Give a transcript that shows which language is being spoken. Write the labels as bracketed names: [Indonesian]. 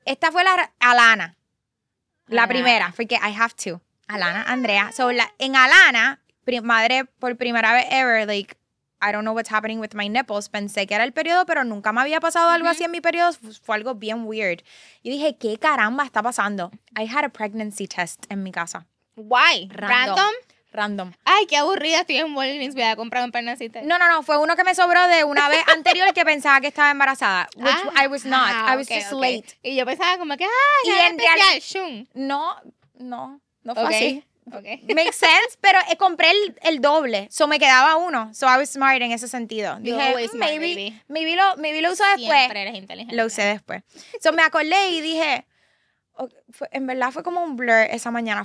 [Spanish] Esta fue la Alana. La primera, porque [English] I have to. [Spanish] Alana, Andrea. [English] So, [Spanish] en Alana, madre por primera vez [English] ever, like, I don't know what's happening with my nipples. [Spanish] Pensé que era el periodo, pero nunca me había pasado algo así en mi periodo. Fue algo bien weird. Yo dije, ¿qué caramba está pasando? [English] I had a pregnancy test [Spanish] en mi casa. [English] Why? Random. Random. [Spanish] Ay, qué aburrida, estoy en Walgreens, voy a comprar un pregnancy test. No, fue uno que me sobró de una vez anterior que pensaba que estaba embarazada. [English] Which I was not. I was just late. [Spanish] Y yo pensaba como que, ay, y en especial, No, No, fue así. Okay. [English] Makes sense, [Spanish] pero compré el doble. So me quedaba uno. [English] So I was smart [Spanish] en ese sentido. Dije, [English] maybe [Spanish] lo uso después. Siempre eres inteligente. Lo usé después. So me acordé y dije, en verdad fue como un blur esa mañana.